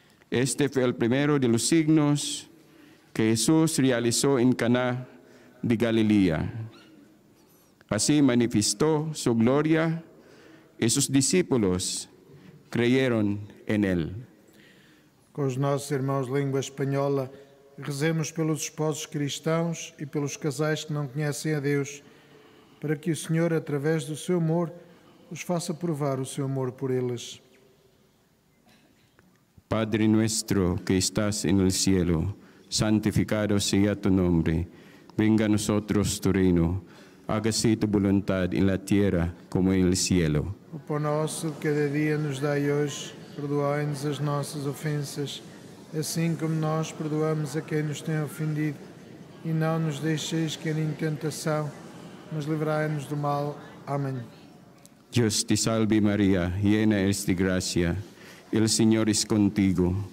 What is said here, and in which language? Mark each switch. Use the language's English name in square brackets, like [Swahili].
[Spanish] Este fue el primero de los signos que Jesús realizó en Caná de Galilea. Así manifestó su gloria y sus discípulos creyeron en él. [Portuguese] Com os nossos irmãos de língua espanhola, rezemos pelos esposos cristãos e pelos casais que não conhecem a Deus, para que o Senhor, através do seu amor, os faça provar o seu amor por eles. [Spanish] Padre nuestro que estás en el cielo, santificado sea tu nombre. Venga a nosotros tu reino. Hágase tu voluntad en la tierra como en el cielo. [Portuguese] O pão nosso cada dia nos dai hoje. Perdoai-nos as nossas ofensas, assim como nós perdoamos a quem nos tem ofendido. E não nos deixeis cair em tentação, mas livrai-nos do mal. Amém. Deus te salve, Maria, [Spanish] llena eres [Portuguese] de graça. O Senhor é contigo.